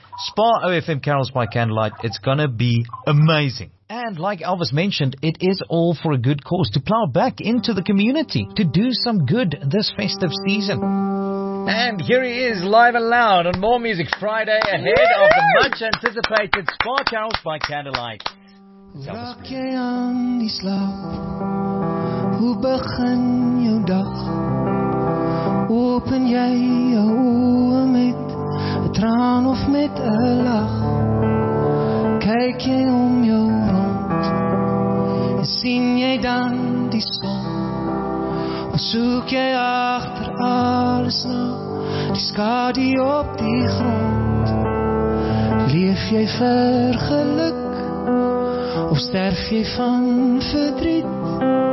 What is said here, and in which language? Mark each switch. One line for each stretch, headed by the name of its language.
English: Spa OFM Carols by Candlelight, it's gonna be amazing. And like Elvis mentioned, it is all for a good cause, to plow back into the community, to do some good this festive season. And here he is, live and loud on More Music Friday, ahead of the much-anticipated Spa Carols by Candlelight.
Afrikaans: Raak jy aan die slaap, hoe begin jou dag? Open jy jou oë met een traan of met een lach? Kyk jy om jou rond, en sien jy dan die son? Of soek jy achter alles na, die skadu op die grond? Leef jy vir geluk? Of sterf jy van verdriet?